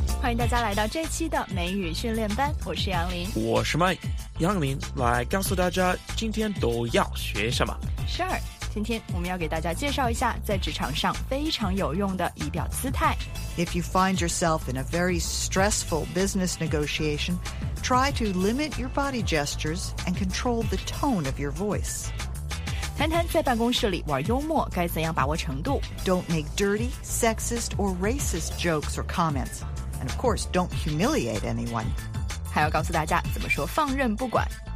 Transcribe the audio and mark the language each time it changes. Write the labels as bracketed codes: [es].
[zh] 迎大家来到这期的美语训练班，我是杨林，我是 Mike。杨林来告诉大家今天都要学什么。 Sure， 今天我们要给大家介绍一下在职场上非常有用的仪表姿态。 [en] If you find yourself in a very stressful business negotiation, try to limit your body gestures and control the tone of your voice。 [zh] 谈谈在办公室里玩幽默该怎样把握程度。 [en] Don't make dirty, sexist, or racist jokes or comments. And of course, don't humiliate anyone. [zh] 还要告诉大家怎么说放任不管。